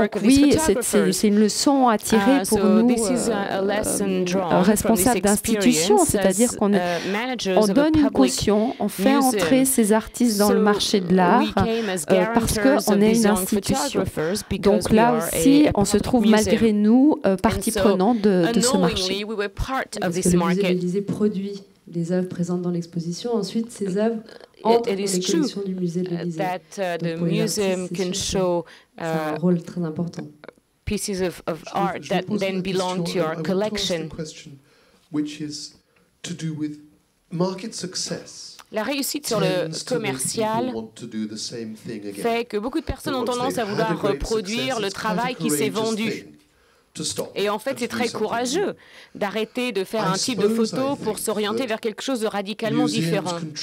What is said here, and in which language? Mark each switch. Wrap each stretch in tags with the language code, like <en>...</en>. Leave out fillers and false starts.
<fr>Donc oui, c'est une leçon à tirer pour nous responsables d'institutions, c'est-à-dire qu'on on donne une caution, on fait entrer ces artistes dans le marché de l'art parce qu'on est une institution. Donc là aussi, on se trouve malgré nous partie prenante de ce marché. Parce que le musée de l'Élysée produit les œuvres présentes dans l'exposition, ensuite ces œuvres</fr> <en>It is true that the museum can show pieces of art that then belong to your collection. Which is to do with market success.</en> <fr>La réussite sur le commercial fait que beaucoup de personnes ont tendance à vouloir reproduire le travail qui s'est vendu. Et en fait, c'est très courageux d'arrêter de faire un type de photo pour s'orienter vers quelque chose de radicalement différent.</fr>